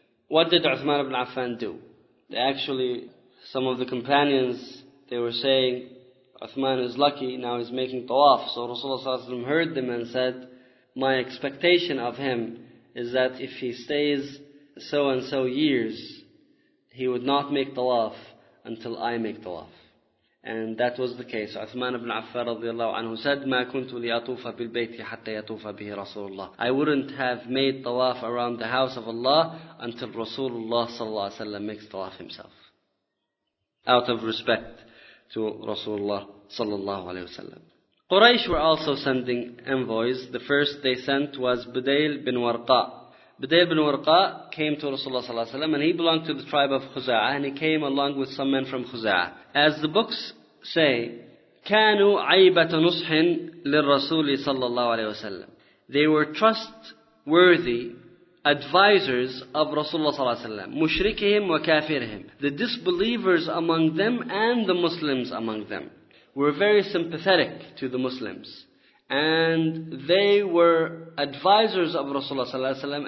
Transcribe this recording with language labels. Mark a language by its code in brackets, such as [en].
[en] What did Uthman ibn Affan do? Actually, some of the companions, they were saying, Uthman is lucky, now he's making tawaf. So Rasulullah heard them and said, my expectation of him is that if he stays so and so years, he would not make tawaf until I make tawaf. And that was the case. Uthman ibn Affan radiallahu anhu said, [ar] مَا كُنْتُ لِيَطُوفَ بِالْبَيْتِ حَتَّى يَطُوفَ بِهِ رَسُولُ اللَّهِ. [en] I wouldn't have made tawaf around the house of Allah until Rasulullah sallallahu alayhi wa sallam makes tawaf himself, out of respect to Rasulullah sallallahu alayhi wa sallam. Quraysh were also sending envoys. The first they sent was Budayl bin Warqa. Budayl bin Warqa came to Rasulullah sallallahu alayhi wa sallam, and he belonged to the tribe of Khuza'ah, and he came along with some men from Khuza'ah. As the books say, [ar] كانوا عيبة نصح للرسول صلى الله عليه وسلم. [en] They were trustworthy advisors of Rasulullah sallallahu alayhi wa sallam. [ar] Mushrikihim wa kafirihim. [en] The disbelievers among them and the Muslims among them were very sympathetic to the Muslims. And they were advisors of Rasulullah sallallahu alayhi wa sallam.